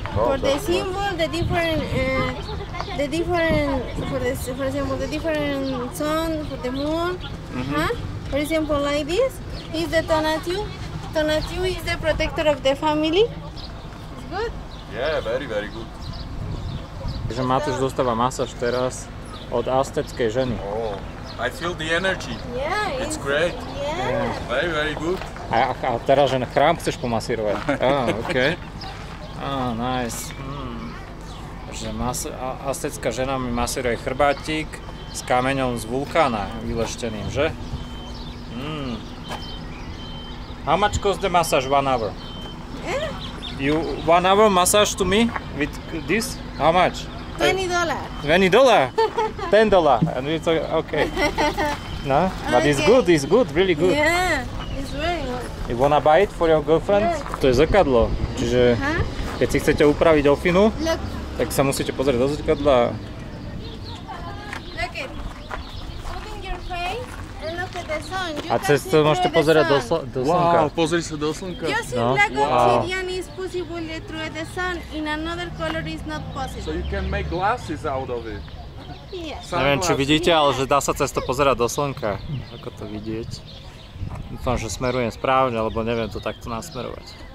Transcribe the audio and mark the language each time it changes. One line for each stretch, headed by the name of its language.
English: Oh, for the symbol, the different... For example, the different sun, for the moon, mm-hmm. huh? For example, like this, is the Tonatiuh. Tonatiuh is the protector of the family. It's good? Yeah, very, very good.
Slovak: Takže Matúš dostáva masáž teraz od azteckej ženy.
English: Oh, I feel the energy. Yeah, it's great. Yeah. Very, very good.
Slovak: A teraz, že na chrám chceš pomasírovať.
English: Ah, okay. Ah, nice.
Slovak: Že aztecká žena mi masíruje chrbátik s kameňom z vulkána vylešteným, že? Mm.
English: How much cost the massage? 1 hour? Yeah. You 1 hour massage to me? With this? How much? $20. $20? $10. And it's okay. No? But okay. It's good, really good. Yeah, it's very good. You wanna buy it for your girlfriend? Yeah.
Slovak: To je zrkadlo. Čiže huh? Keď si chcete upraviť ofinu, tak sa musíte pozrieť do zrkadla.
English: Look it. Looking your face and look at the sun.
Slovak: A cez to môžete pozrieť do slnka. Wow, pozri sa do slnka.
English: You see no. Black wow. Obsidian is possible through the sun. In another color is not possible. So you can make glasses out of it. Yes.
Slovak: Neviem, či vidíte, ale že dá sa cez to pozrieť do slnka. Ako to vidieť. Dúfam, že smerujem správne, alebo neviem to takto nasmerovať.